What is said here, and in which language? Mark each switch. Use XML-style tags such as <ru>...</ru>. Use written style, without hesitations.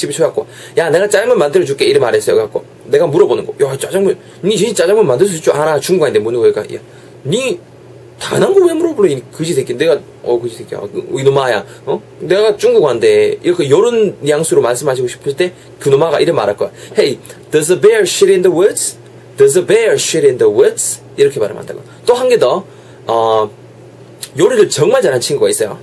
<ko>집에 초대하고 야 내가 짜장면 만들어 줄게 이래 말했어요. 그래갖고 내가 물어보는 거 야 짜장면 니 진짜 짜장면 만들 수 있을 줄 알아? 중국 아닌데 묻는 거니까 야 니 당연한 거 왜 물어보래 이 그지 새끼. 내가 그지 새끼야 이놈아야 내가 중국어인데 이렇게 요런 양수로 말씀하시고 싶을 때 그놈아가 이런 말할 거야.</ko> <en>Hey, there's a bear shit in the woods. There's a bear shit in the woods.</en> <ko>이렇게 발음한다고. 또 한 개 더 요리를 정말 잘하는 친구가 있어요.</ko>